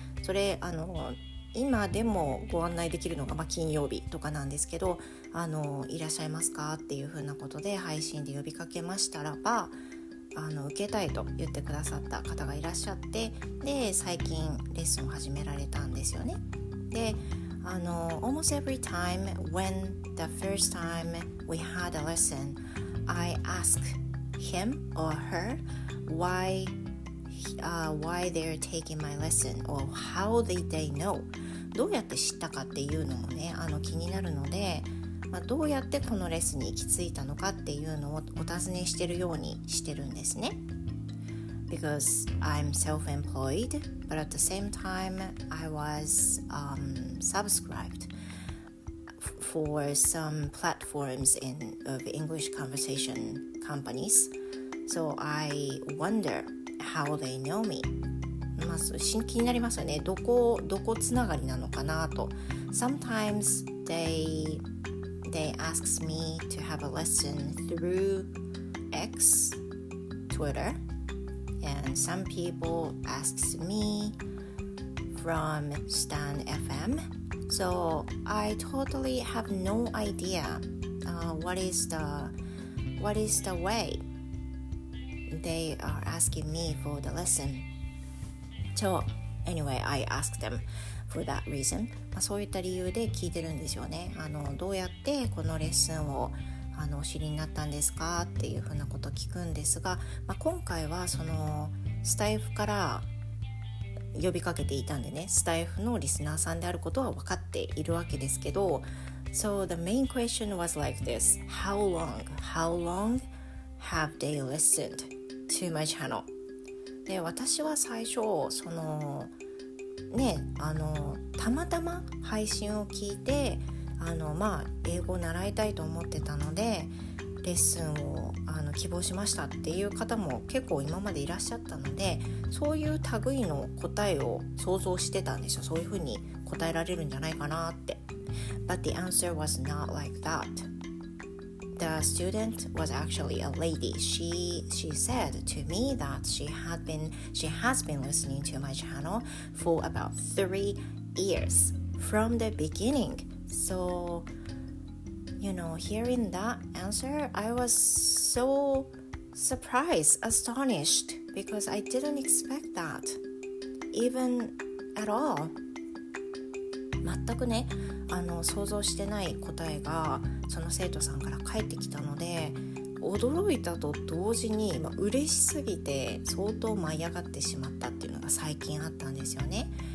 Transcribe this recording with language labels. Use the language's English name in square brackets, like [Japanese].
[Japanese] それ今でもご案内できるのが金曜日とかなんですけど、いらっしゃいますかっていうふうなことで配信で呼びかけましたらば、受けたいと言ってくださった方がいらっしゃって、で最近レッスン始められたんですよね。 [English] で、almost every time when the first time we had a lesson, I ask him or her why why they're taking my lesson or how did they know? [Japanese] どうやって知ったかっていうのもね、気になるので、どうやってこのレッスンに行き着いたのかっていうのをお尋ねしてるようにしてるんですね。 [English] Because I'm self-employed, but at the same time, I was subscribed for some platforms of English conversation companies. So I wonder how they know me. [Japanese] まあ、気になりますよね。どこつながりなのかなと。 [English] Sometimes they ask me to have a lesson through X, Twitter. And some people ask me from Stan FM. So I totally have no idea what is the way they are asking me for the lesson. So anyway, I ask them for that reason. [Japanese] そういった理由で聞いてるんですよね。どうやってこのレッスンをお知りになったんですかっていうふうなことを聞くんですが、今回はそのスタイフから呼びかけていたんでね、スタイフのリスナーさんであることは分かっているわけですけど、 [English] So the main question was like this: How long have they listened to my channel? [Japanese] で、私は最初そのね、たまたま配信を聞いて英語を習いたいと思ってたのでレッスンを希望しましたっていう方も結構今までいらっしゃったので、そういう類の答えを想像してたんですよ。そういうふうに答えられるんじゃないかなって。 [English] But the answer was not like that. The student was actually a lady. She said to me that she has been listening to my channel for about 3 years from the beginningSo, you know, hearing that answer, I was so surprised, astonished, because I didn't expect that, even at all. [Japanese] 全くね、想像してない答えがその生徒さんから返ってきたので、驚いたと同時に、嬉しすぎて相当舞い上がってしまったっていうのが最近あったんですよね。